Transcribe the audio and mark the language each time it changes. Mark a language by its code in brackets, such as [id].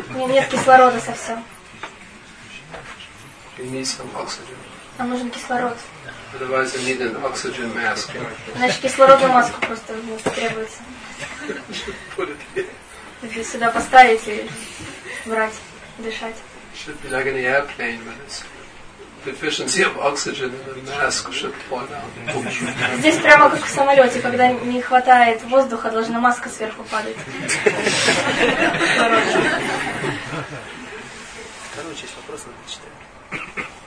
[ru] Нет кислорода совсем. [en] You need some oxygen. [ru] Нам нужен кислород. [en] Otherwise, you need an oxygen mask. [ru] Значит, кислородную маску просто требуется. Сюда поставить и брать, дышать. [en] Should be like an airplane, but it's deficiency of oxygen, the mask should fall down. [ru] Здесь прямо как в самолете, когда не хватает воздуха, должна маска сверху падать. Короче, есть вопрос, надо читать.